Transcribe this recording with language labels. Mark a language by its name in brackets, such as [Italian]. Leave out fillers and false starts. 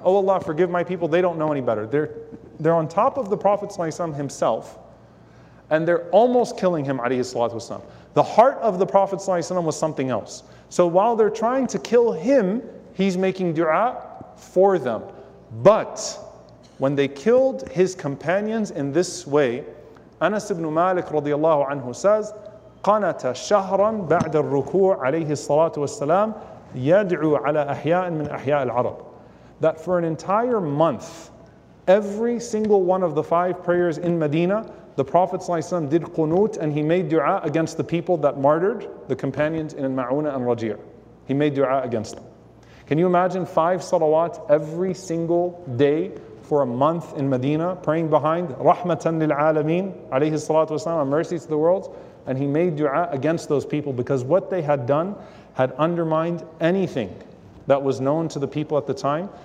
[English] Oh Allah, forgive my people, they don't know any better. They're on top of the Prophet ﷺ himself, and they're almost killing him, alayhi salatu wasalam. The heart of the Prophet ﷺ was something else. So while they're trying to kill him, he's making dua for them. But when they killed his companions in this way, Anas ibn Malik radiallahu anhu says, [Arabic] قنت شهرا بعد الركوع عليه الصلاة والسلام يدعو على أحياء من أحياء العرب. [English] That for an entire month, every single one of the five prayers in Medina, the Prophet ﷺ did qunut and he made dua against the people that martyred the companions in Ma'una and Rajir. He made dua against them. Can you imagine five salawat every single day for a month in Medina, praying behind rahmatan lil alamin, alayhi salatu wasalam, mercy to the world, and he made dua against those people because what they had done had undermined anything that was known to the people at the time.